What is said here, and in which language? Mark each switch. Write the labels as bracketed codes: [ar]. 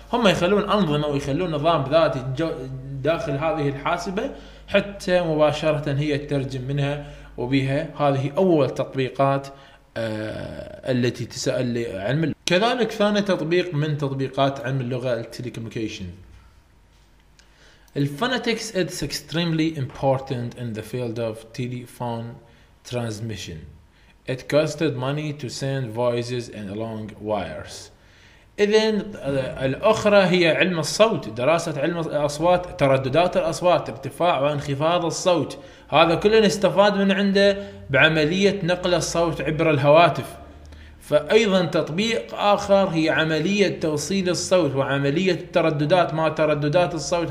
[ar] هم يخلون أنظمة ويخلون نظام ذاتي داخل هذه الحاسبة حتى مباشرة هي تترجم منها وبها. هذه أول تطبيقات التي تسأل علم اللغة. كذلك ثاني تطبيق من تطبيقات علم اللغة التليكوميكيشن. [en] الفونيتكس is extremely important in the field of telephone transmission. It costed money to send voices and long wires. [ar] إذن الأخرى هي علم الصوت، دراسة علم الأصوات، ترددات الأصوات، ارتفاع وانخفاض الصوت. هذا كله نستفاد من عنده بعملية نقل الصوت عبر الهواتف. فأيضا تطبيق آخر هي عملية توصيل الصوت وعملية الترددات مع ترددات الصوت.